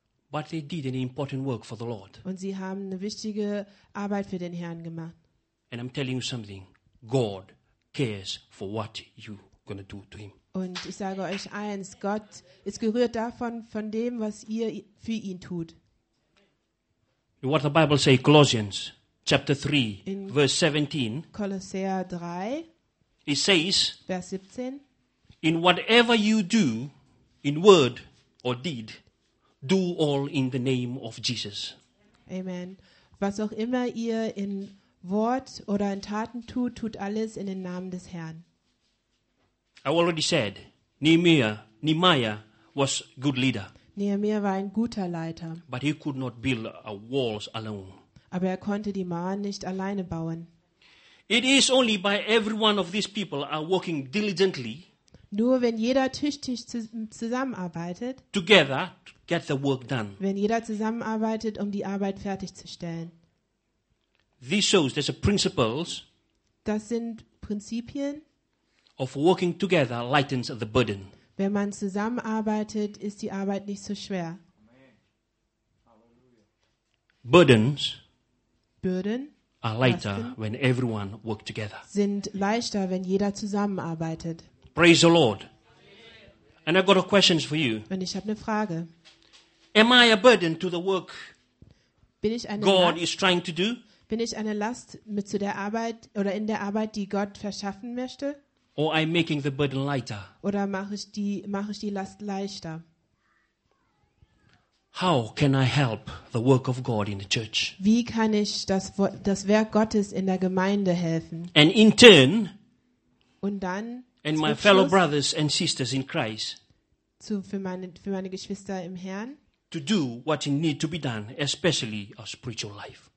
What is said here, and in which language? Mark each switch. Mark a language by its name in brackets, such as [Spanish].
[English] But they did an important work for the Lord. [German] Und sie haben eine wichtige Arbeit für den Herrn gemacht. [English] And I'm telling you something. God cares for what you're going to do to him. [German] Und ich sage euch eins. Gott ist gerührt davon, von dem, was ihr für ihn tut. [English] What the Bible say, Colossians chapter 3, in verse 17. [German] Kolosser 3. [English] It says, [German] Vers 17, [English] in whatever you do, in word or deed, do all in the name of Jesus. Amen. [German] Was auch immer ihr in Wort oder in Taten tut, tut alles in den Namen des Herrn. [English] I already said, Nehemiah was a good leader. [German] Nehemiah war ein guter Leiter. [English] But he could not build a walls alone. [German] Aber er konnte die Mauern nicht alleine bauen. [English] It is only by every one of these people are working diligently. [German] Nur wenn jeder tüchtig zusammenarbeitet. [English] Together to get the work done. [German] Wenn jeder zusammenarbeitet, um die Arbeit fertigzustellen. [English] This shows there's a principles. [German] Das sind Prinzipien. [English] Of working together lightens the burden. [German] Wenn man zusammenarbeitet, ist die Arbeit nicht so schwer. [English] Burdens. Burden. Are lighter when everyone work together. [German] Sind leichter, wenn jeder zusammenarbeitet. [English] Praise the Lord. And I got a question for you. [German] Und ich habe eine Frage. [English] Am I a burden to the work [German] bin ich eine [English] God [German] Last, [English] is trying to do? [German] Bin ich eine Last mit zu der Arbeit oder in der Arbeit, die Gott verschaffen möchte? [English] Or I'm making the burden lighter? [German] Oder mache ich die Last leichter? [English] How can I help the work of God in the church? [German] Wie kann ich das Werk Gottes in der Gemeinde helfen? [English] And in turn, [German] und dann, [English] and my fellow brothers and sisters in Christ, [German] für meine Geschwister im Herrn, [English] to do what need to be done, especially our spiritual life.